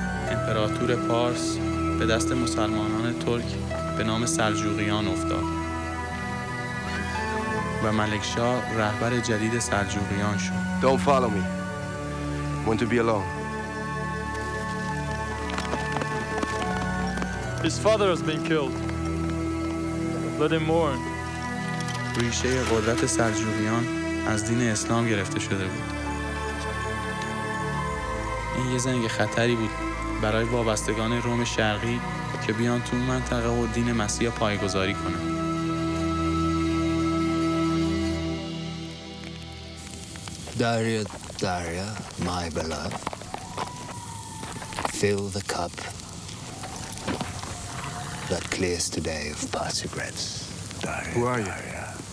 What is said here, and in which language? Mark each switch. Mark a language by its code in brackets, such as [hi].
[fa] امپراتور پارس به دست مسلمانان ترک به نام سلجوقیان افتاد و ملک شاه رهبر جدید سلجوقیان شد. [en] Don't follow me. I want to be alone. His father has been killed. Let him mourn. [fa] ریشه قدرت سلجوقیان از دین اسلام گرفته شده بود. این یه زنگ خطری بود برای وابستگان روم شرقی که بیان تو منطقه و دین مسیح پایگذاری کنن. [en] Daria, Daria, my beloved, fill the cup that clears today of past regrets. Daria, who are you? Daria.